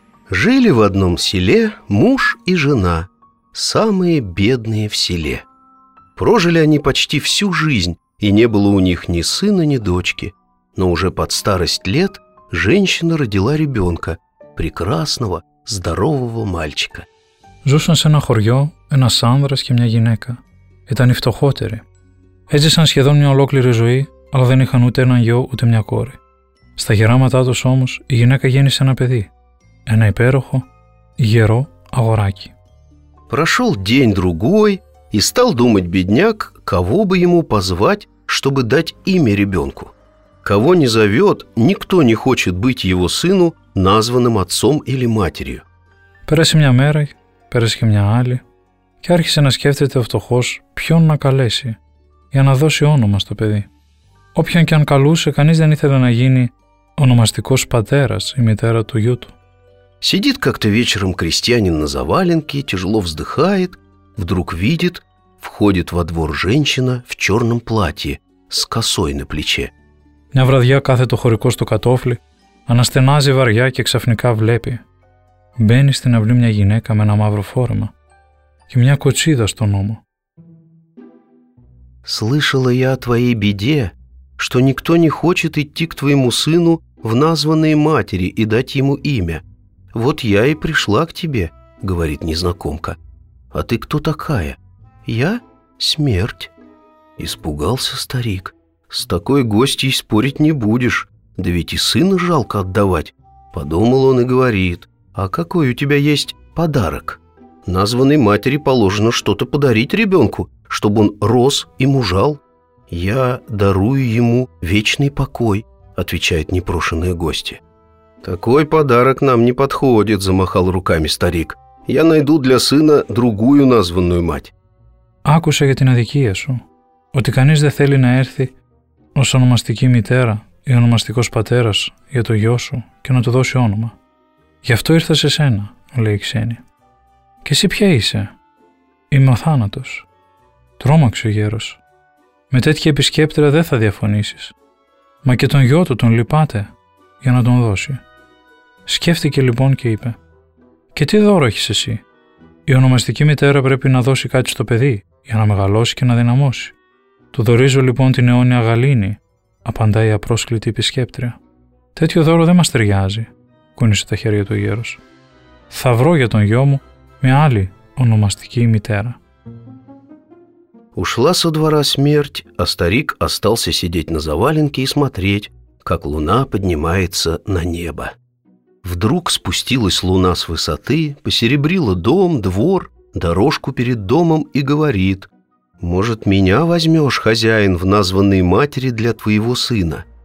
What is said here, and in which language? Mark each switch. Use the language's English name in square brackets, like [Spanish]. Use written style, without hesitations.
[Russian] Жили в одном селе муж и жена, самые бедные в селе. Прожили они почти всю жизнь, и не было у них ни сына, ни дочки. Но уже под старость лет женщина родила ребенка, прекрасного, здорового мальчика. [Greek] Ζούσαν σε ένα χωριό ένας άνδρας και μια γυναίκα. Ήταν οι φτωχότεροι. Έζησαν σχεδόν μια ολόκληρη ζωή, αλλά δεν είχαν ούτε έναν γιο ούτε μια κόρη. Στα γεράματά τους όμως η γυναίκα γέννησε ένα παιδί. Ένα υπέροχο, γερό αγοράκι. [Russian] Прошел день другой и стал думать бедняк, кого бы ему позвать, чтобы дать имя ребенку. Кого не зовет, никто не хочет быть его сыну, названным отцом или матерью. [Greek] Πέρασε μια μέρα, πέρασε και μια άλλη και άρχισε να σκέφτεται ο φτωχός ποιον να καλέσει για να δώσει όνομα στο παιδί. Όποιον και αν καλούσε, κανείς δεν ήθελε να γίνει ονομαστικός πατέρας ή μητέρα του γιού του. [Russian] Сидит как-то вечером крестьянин на заваленке, тяжело вздыхает, вдруг видит, входит во двор женщина в черном платье с косой на плече. [Greek] Μια βραδιά κάθεται ο χωρικός στο κατόφλι, αναστενάζει βαριά και ξαφνικά βλέπει. Μπαίνει στην αυλή μια γυναίκα με ένα μαύρο φόρεμα και μια κοτσίδα στο νόμο. [Russian] Слышала я о твоей беде, что никто не хочет идти к твоему сыну в названные матери и дать ему имя. «Вот я и пришла к тебе», — говорит незнакомка. «А ты кто такая?» «Я — смерть». Испугался старик. «С такой гостьей спорить не будешь. Да ведь и сына жалко отдавать». Подумал он и говорит. «А какой у тебя есть подарок? Названной матери положено что-то подарить ребенку, чтобы он рос и мужал. Я дарую ему вечный покой», — отвечает непрошенная гостья. «Такой подарок нам не подходит», — замахал руками старик. «Я найду для сына другую названную мать». [Greek] «Άκουσα για την αδικία σου, ότι κανείς δεν θέλει να έρθει ως ονομαστική μητέρα ή ονομαστικός πατέρας για το γιο σου και να του δώσει όνομα. Γι' αυτό ήρθα σε σένα», λέει η ξένη. «Και εσύ ποια είσαι?» «Είμαι ο θάνατος». Τρόμαξε ο γέρος. «Με τέτοια επισκέπτρια δεν θα διαφωνήσεις. Μα και τον γιο του τον λυπάται. Για να τον δώσει». Σκέφτηκε λοιπόν και είπε: «Και τι δώρο έχεις εσύ? Η ονομαστική μητέρα πρέπει να δώσει κάτι στο παιδί για να μεγαλώσει και να δυναμώσει. Του δωρίζω λοιπόν την αιώνια γαλήνη», απαντάει η απρόσκλητη επισκέπτρια. «Τέτοιο δώρο δεν μας ταιριάζει», κούνησε τα χέρια του ο γέρος. «Θα βρω για τον γιο μου μια άλλη ονομαστική μητέρα». [Russian] Ушла со двора смерть, а старик остался сидеть на завалинке и смотреть, как луна поднимается на небо. Вдруг спустилась луна с высоты, посеребрила дом, двор, дорожку перед домом и говорит: «Может, меня возьмешь, хозяин, в названной матери для твоего сына?